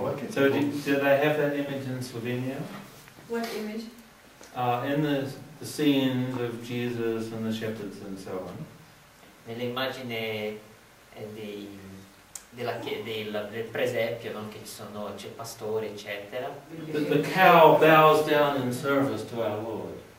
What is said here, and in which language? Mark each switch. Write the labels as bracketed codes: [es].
[en] So do they have that image in Slovenia? What image? In the scenes of Jesus and the shepherds and so on. [it] Nelle immagini del presepio, non che ci sono c'è pastore eccetera. [en] The cow bows down in service to our Lord.